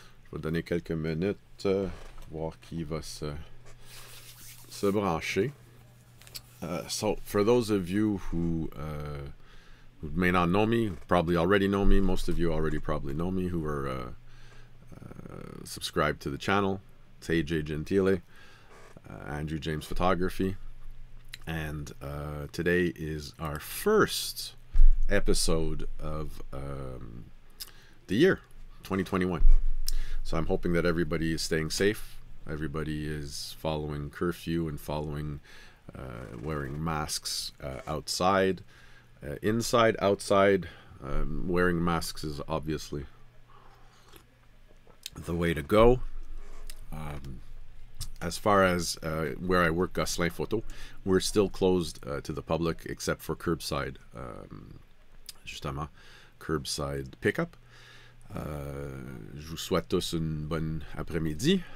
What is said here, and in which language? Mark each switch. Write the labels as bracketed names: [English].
[French] Je vais donner quelques minutes, voir qui va se brancher. [English] So, for those of you who may not know me, probably already know me, most of you already probably know me, who are subscribed to the channel, it's AJ Gentile, Andrew James Photography, and today is our first episode of the year, 2021. So I'm hoping that everybody is staying safe, everybody is following curfew and following wearing masks outside, inside, outside. Wearing masks is obviously the way to go. As far as where I work, Gosselin Photo, we're still closed to the public except for curbside, justement, curbside pickup. [French] Je vous souhaite tous une bonne après-midi.